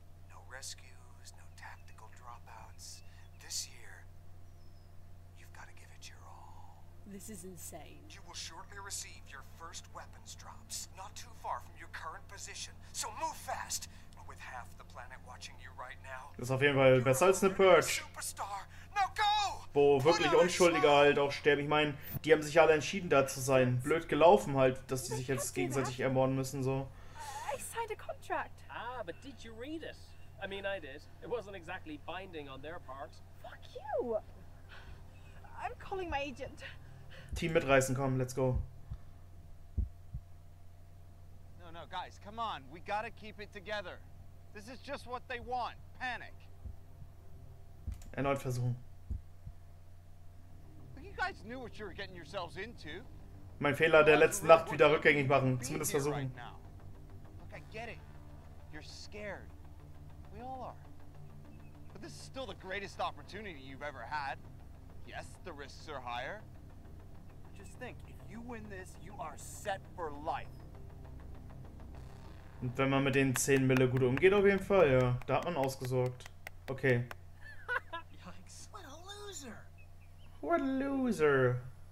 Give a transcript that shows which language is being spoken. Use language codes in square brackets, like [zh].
[en] No rescues, no tactical dropouts. This year, you've got to give it your all. This is insane. You will shortly receive your first weapons drops, not too far from your current position. So move fast. With half the planet watching you right now. [de] Das ist auf jeden Fall besser als eine Purge. [en] Superstar. Now go! [de] Wo wirklich Unschuldige halt auch sterben. Ich meine, die haben sich alle entschieden, da zu sein. Blöd gelaufen halt, dass die sich jetzt gegenseitig ermorden müssen, so. [en] I signed a contract. Ah, but did you read it? I mean, I did. It wasn't exactly binding on their part. Fuck you! I'm calling my agent. [de] Team mitreißen, komm, [en] let's go. No, guys, come on. We gotta keep it together. This is just what they want. Panic. [de] Erneut versuchen. [en] Well, you guys knew what you were getting yourselves into. [de] Mein Fehler der letzten Nacht wieder rückgängig machen. Zumindest versuchen. [en] Right now. Look, I get it. You're scared. We all are. But this is still the greatest opportunity you've ever had. Yes, the risks are higher. But just think, if you win this, you are set for life. [de] Und wenn man mit den 10 Mille gut umgeht, auf jeden Fall, ja. Da hat man ausgesorgt. Okay. [en] Yikes. What a loser. What a loser.